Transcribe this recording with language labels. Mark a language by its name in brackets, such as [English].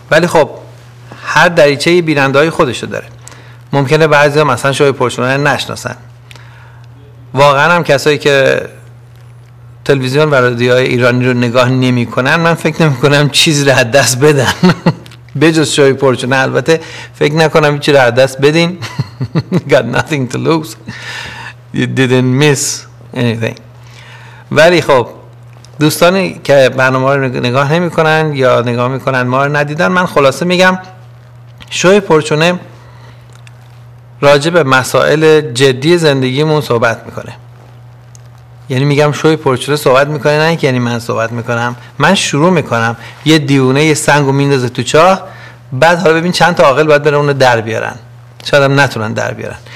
[Persian] ولی خب هر دریچه بیننده‌های خودشو داره، ممکنه بعضی ها مثلا شوی پرچونه نشناسن. واقعا هم کسایی که تلویزیون و رادیوهای ایرانی رو نگاه نمی کنن، من فکر نمی کنم چیز رو از دست بدن. بجز شوی پرچونه البته، فکر نکنم چی رو از دست بدین. [English] Got nothing to lose. You didn't miss anything. [Persian] ولی خب دوستانی که برنامه رو نگاه نمی کنن یا نگاه می کنن ما رو ندیدن، من خلاصه میگم شوی پرچونه راجع به مسائل جدی زندگیمون صحبت میکنه. یعنی میگم شوی پرچونه صحبت میکنه، نه یعنی من صحبت میکنم، من شروع میکنم، یه دیونه یه سنگو میندازه تو چاه، بعد حالا ببین چند تا عاقل باید برن اونو در بیارن، شاید هم نتونن در بیارن.